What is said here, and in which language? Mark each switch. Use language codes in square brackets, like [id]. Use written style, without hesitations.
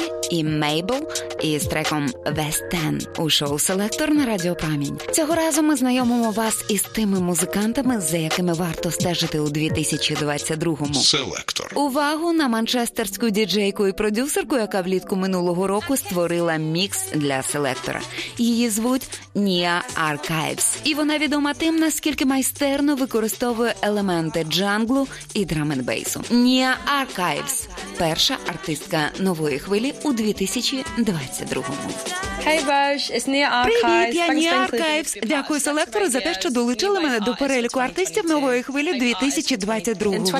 [uk] І Мейбл із треком «West End» у шоу «Селектор» на Радіо Пам'ять. Цього разу ми знайомимо вас із тими музикантами, за якими варто стежити у 2022-му. «Селектор». Увагу на манчестерську діджейку і продюсерку, яка влітку минулого року створила мікс для «Селектора». Її звуть «Nia Archives». І вона відома тим, наскільки майстерно використовує елементи джанглу і драм-н-бейсу. «Nia Archives» – перша артистка нової хвилі у 2022-му. [en] Hey, Bosh, it's Nia Archives. [uk] Привіт, я Nia Archives. Дякую «Селектору» за те, що долучили мене до переліку артистів нової хвилі 2022.